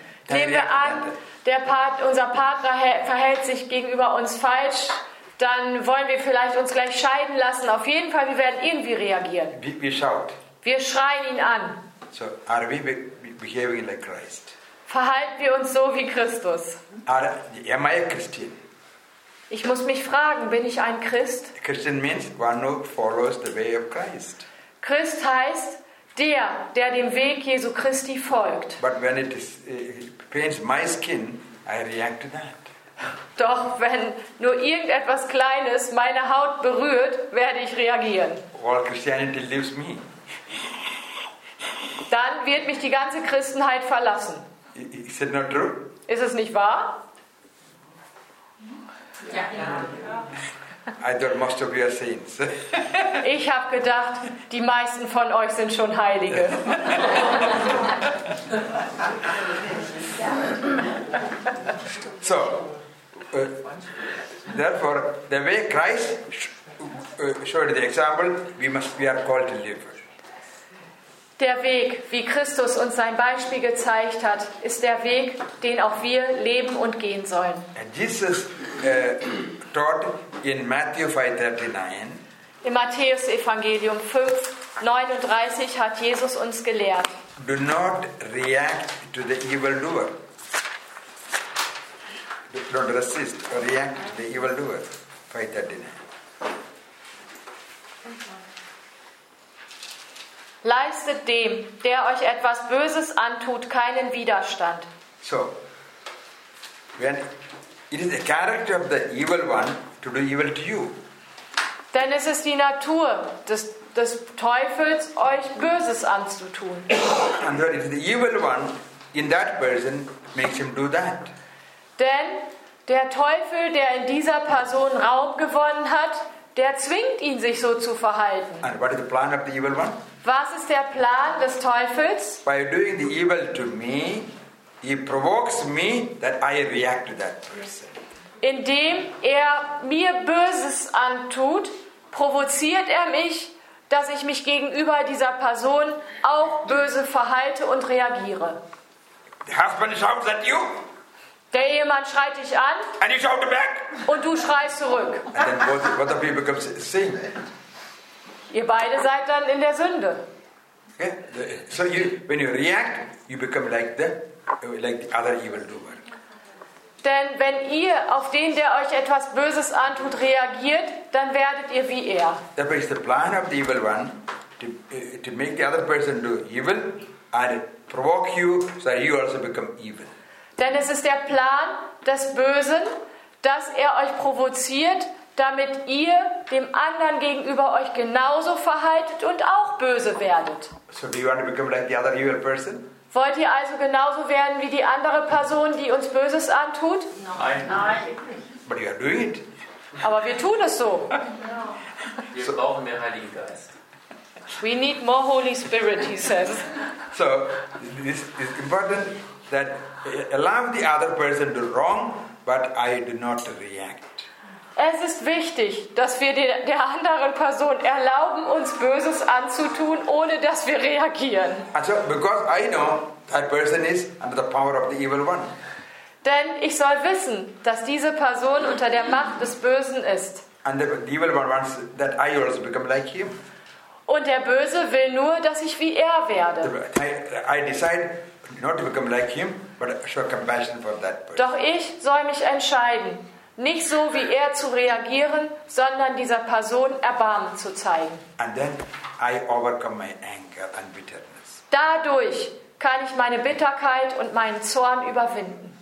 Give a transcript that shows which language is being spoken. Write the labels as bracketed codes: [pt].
[de] Nehmen wir an, unser Partner verhält sich gegenüber uns falsch, dann wollen wir vielleicht uns gleich scheiden lassen. Auf jeden Fall, wir werden irgendwie reagieren. Wir schreien ihn an. [en] So, are we behaving like Christ? [de] Verhalten wir uns so wie Christus? [en] Am I a Christian? [de] Ich muss mich fragen, bin ich ein Christ? [en] Christian means one who follows the way of Christ. [de] Christ heißt der, der dem Weg Jesu Christi folgt. [en] But when it is, pains my skin, I react to that. [de] Doch wenn nur irgendetwas Kleines meine Haut berührt, werde ich reagieren. [en] All Christianity leaves me. [de] Dann wird mich die ganze Christenheit verlassen. [en] Is it not true? [de] Ist es nicht wahr? Ja. [en] I thought most of you are saints. [de] Ich habe gedacht, die meisten von euch sind schon Heilige. [en] So, therefore, the way Christ showed the example, we are called to live. [de] Der Weg, wie Christus uns sein Beispiel gezeigt hat, ist der Weg, den auch wir leben und gehen sollen. [en] And Jesus taught in Matthew 5:39. [de] Im Matthäus-Evangelium 5:39 hat Jesus uns gelehrt. [en] Do not react to the evil doer. Don't resist, react to the evil doer. 5:39. [de] Leistet dem, der euch etwas Böses antut, keinen Widerstand. [en] So, when it is the character of the evil one to do evil to you. [de] Denn es ist die Natur des Teufels, euch Böses anzutun. [en] And that is the evil one in that person makes him do that. [de] Denn der Teufel, der in dieser Person Raum gewonnen hat, der zwingt ihn, sich so zu verhalten. [en] And what is the plan of the evil one? [de] Was ist der Plan des Teufels? [en] By doing the evil to me, he provokes me that I react to that person. [de] Indem er mir Böses antut, provoziert er mich, dass ich mich gegenüber dieser Person auch böse verhalte und reagiere. [en] The husband shouts at you. [de] Der Ehemann schreit dich an. [en] And you shout back. [de] Und du schreist zurück. [en] And then both of you become sin. [de] Ihr beide seid dann in der Sünde. [en] Okay. So you, when you react, you become like the other evil doer. [de] Denn wenn ihr auf den, der euch etwas Böses antut, reagiert, dann werdet ihr wie er. [en] That is the plan of the evil one to make the other person do evil and provoke you, so you also become evil. [de] Denn es ist der Plan des Bösen, dass er euch provoziert, damit ihr dem anderen gegenüber euch genauso verhaltet und auch böse werdet. [en] So do you want to become like the other evil person? [de] Wollt ihr also genauso werden wie die andere Person, die uns Böses antut? Nein. [en] But you are doing it. [de] Aber wir tun es so. Wir brauchen mehr Heiligen Geist. [en] We need more Holy Spirit, he says. So, it's important that allow the other person to wrong, but I do not react. [de] Es ist wichtig, dass wir der anderen Person erlauben, uns Böses anzutun, ohne dass wir reagieren. [en] Also, because I know that person is under the power of the evil one. [de] Denn ich soll wissen, dass diese Person unter der Macht des Bösen ist. [en] And the evil one wants that I also become like him. [de] Und der Böse will nur, dass ich wie er werde. [en] I decide not to become like him, but show compassion for that person. [de] Doch ich soll mich entscheiden, nicht so wie er zu reagieren, sondern dieser Person Erbarmen zu zeigen. [en] And then I overcome my anger and bitterness. [de] Dadurch kann ich meine Bitterkeit und meinen Zorn überwinden.